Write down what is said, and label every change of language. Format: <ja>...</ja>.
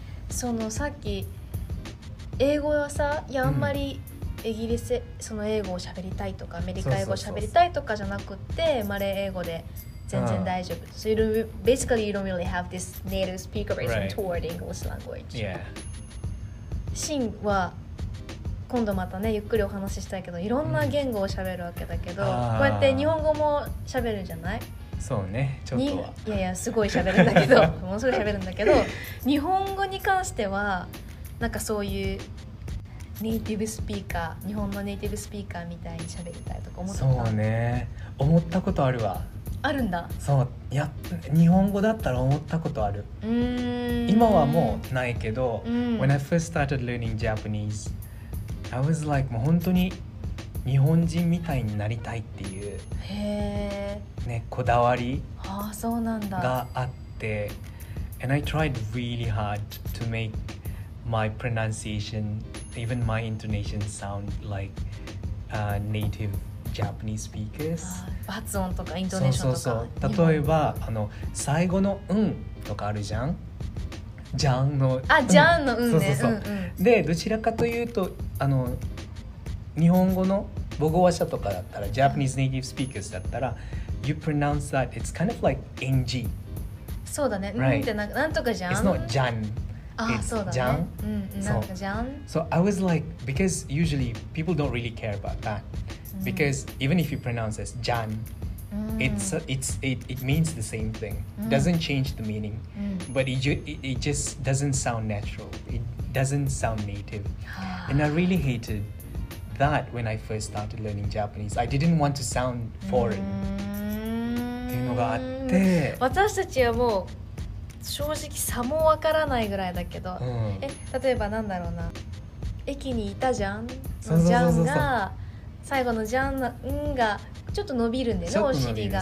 <ja>そのさっき英語はさ、いやあんまりイギリスその英語を喋りたいとかアメリカ英語を喋りたいとかじゃなくて、マレー英語で全然大丈夫。</ja> <en>So you don't, basically you don't really have this native speaker reason toward English language. Yeah.</en> <ja>シンは今度またねゆっくりお話ししたいけど、いろんな言語を喋るわけだけど、こうやって日本語も喋るじゃない。そうね、ちょっとは。いやいや、すごい喋るんだけど、ものすごい喋るんだけど、日本語に関しては、なんかそういうネイティブスピーカー、日本のネイティブスピーカーみたいに喋りたいとか思ったことある。そうね、思ったことあるわ。あるんだ。そう、いや、日本語だったら思ったことある。今はもうないけど、</ja> <en>When I first started learning Japanese, I was like,</en> <ja>もう本当に、日本人みたいになりたいっていう、ね、こだわりがあって、ああ、そうなんだ。</ja> <en>And I tried really hard to make my pronunciation, even my intonation sound like native Japanese speakers.</en> <ja>発音とかイントネーションとか。そう例えばあの最後のうんとかあるじゃん、じゃんの、あ、じゃんのうんね。そう、でどちらかというとあの日本語の母語話者とかだったら、</ja> <en>Japanese native speakers</en> <ja>だったら、</ja> <en>you pronounce that, it's kind of like ng.</en> <ja>そうだね。</ja> <en>Right?</en> <ja>なんとかじゃん。</ja> <en>It's not じゃん。</en> <ja>ああ、そうだね。なんかじゃん。</ja> <en>So I was like, because usually people don't really care about that. Because even if you pronounce as じゃん, it means the same thing. Doesn't change the meaning. But it just doesn't sound natural. It doesn't sound native. And I really hated that when I first started learning Japanese. I didn't want to sound foreign.</en> <ja>っていうのがあって。私たちはもう正直差もわからないぐらいだけど、え、例えばなんだろうな。駅にいたじゃん。そのじゃんが、最後のじゃんの、んがちょっと伸びるんでね、お尻が。</ja>